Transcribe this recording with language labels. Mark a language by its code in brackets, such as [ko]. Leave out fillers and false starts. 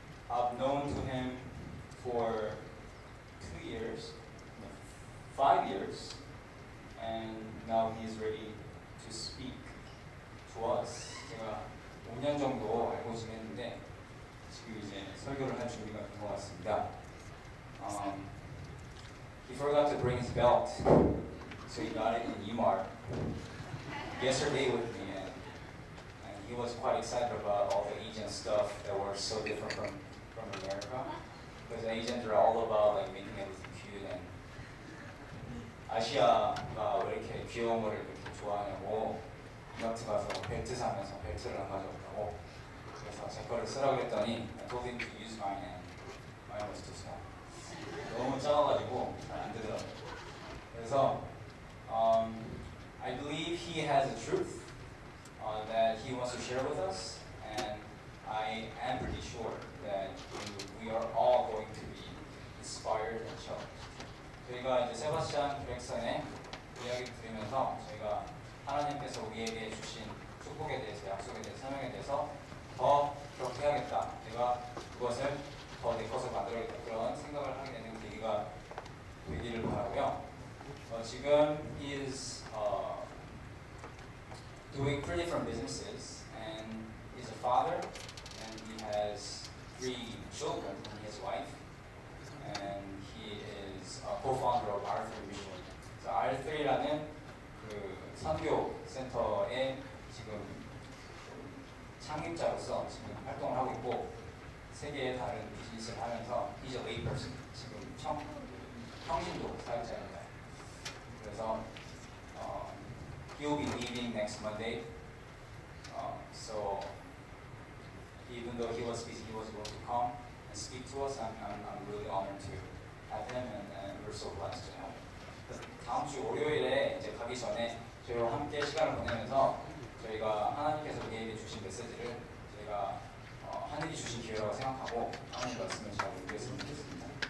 [en] I've known to him for 2 years, 5 years, and now he is ready to speak to us. [ko] 제가 5년 정도 알고 지냈는데 지금 이제 설교를 할 준비가 된 것 같습니다. [en] He forgot to bring his belt, so he got it in UMart yesterday with me, and he was quite excited about all the Asian stuff that were so different from America, because Asians are all about like making everything cute, and [ko] 아시아가 왜 이렇게 귀여운 거를 그렇게 좋아하냐고 이마트 가서 벨트 사면서 벨트를 안 가져왔다고 그래서 제 거를 쓰라고 했더니 [en] I told him to use mine, and mine was too small. [ko] 너무 작아가지고 잘 안 되더라고요. [en] 그래서 I believe he has a truth that he wants to share with us, and I am pretty sure that we are all going to be inspired and challenged. [ko] 저희가 이제 세바스찬 브렉슨의 이야기 들으면서 저희가 하나님께서 우리에게 주신 축복에 대해서 약속에 대해서 설명에 대해서 더 그렇게 해야겠다. 내가 그것을 더 내 것을 만들어야겠다. 그런 생각을 하게 되는 계기가 되기를 바라고요. [en] 지금 he is doing three different businesses, and he's a father, and he has 3 children from his wife, and he is a co-founder of R3 Mission. [ko] So R3라는 그 선교 센터의 지금 창립자로서 지금 활동을 하고 있고 세계의 다른 비즈니스를 하면서 [en] he's a lay person, [ko] 지금 평신도 사역자입니다. [en] 그래서 he'll be leaving next Monday. So even though he was busy, he was able to come and speak to us. I'm really honored to have him, and we're so blessed to have him. [ko] 다음 주 월요일에 이제 가기 전에 저희와 함께 시간을 보내면서 저희가 하나님께서 우리에게 주신 메시지를 저희가 하늘이 주신 기회라고 생각하고 하나님 말씀을 제가 공개했으면 좋겠습니다.